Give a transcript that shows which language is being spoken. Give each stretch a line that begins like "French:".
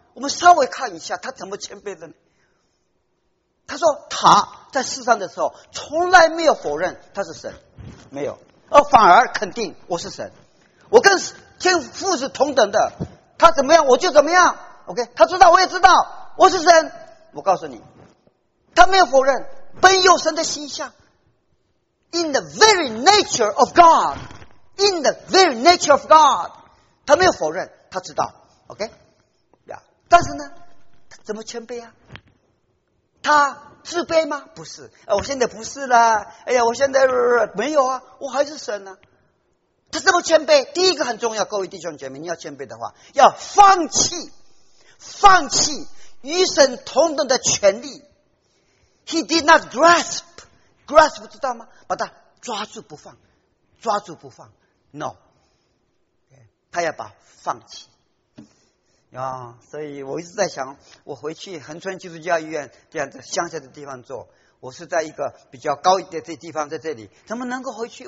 Chinese: 我们稍微看一下他怎么谦卑的呢？他说他在世上的时候从来没有否认他是神，没有，而反而肯定我是神。我跟天父是同等的，他怎么样我就怎么样 ，OK？他知道我也知道我是神。我告诉你，他没有否认本有神的形象 ，
English: in the very nature of God，
Chinese: in the very nature of God， 他没有否认，他知道 ，OK？呀，但是呢，他怎么谦卑啊？他自卑吗？不是，我现在不是了，哎呀，我现在没有啊，我还是神呢、啊。这怎么谦卑？第一个很重要，各位弟兄姐妹，你要谦卑的话，要放弃与神同等的权利。
English: He did not grasp，
Chinese: 知道吗？把它抓住不放，抓住不放。No， 他要把放弃。啊，所以我一直在想，我回去恒春基督教医院这样子乡下的地方做，我是在一个比较高一点的地方，在这里怎么能够回去？